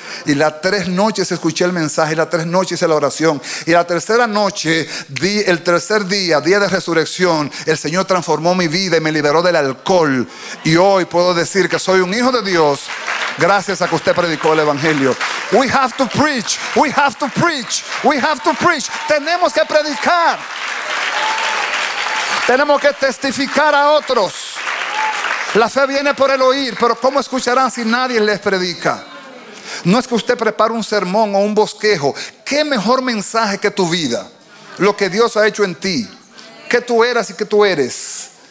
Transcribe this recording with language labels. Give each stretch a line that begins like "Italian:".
Spanish: Y las tres noches escuché el mensaje, y las tres noches hice la oración. Y la tercera noche, el tercer día, día de resurrección, el Señor transformó mi vida y me liberó del alcohol. Y hoy puedo decir que soy un hijo de Dios gracias a que usted predicó el Evangelio.
English: We have to preach, we have to preach, we have to preach.
Spanish: Tenemos que predicar. Tenemos que testificar a otros. La fe viene por el oír, pero ¿cómo escucharán si nadie les predica? No es que usted prepare un sermón o un bosquejo. ¿Qué mejor mensaje que tu vida? Lo que Dios ha hecho en ti. ¿Qué tú eras y qué tú eres?